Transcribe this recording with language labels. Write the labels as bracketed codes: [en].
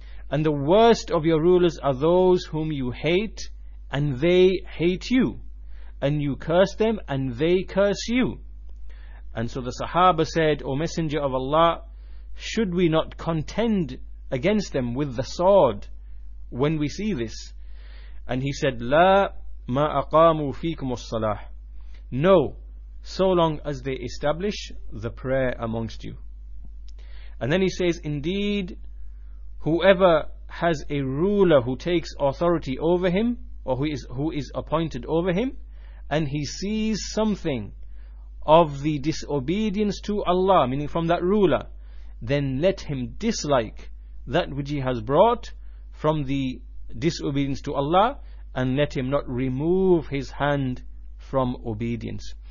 [en] And the worst of your rulers are those whom you hate and they hate you, and you curse them and they curse you. And so the Sahaba said, O Messenger of Allah, should we not contend against them with the sword when we see this? And he said, [ar] لا ما أقاموا فيكم الصلاة. [en] No, so long as they establish the prayer amongst you. And then he says, indeed, whoever has a ruler who takes authority over him, or who is appointed over him, and he sees something of the disobedience to Allah, meaning from that ruler, then let him dislike that which he has brought from the disobedience to Allah, and let him not remove his hand from obedience.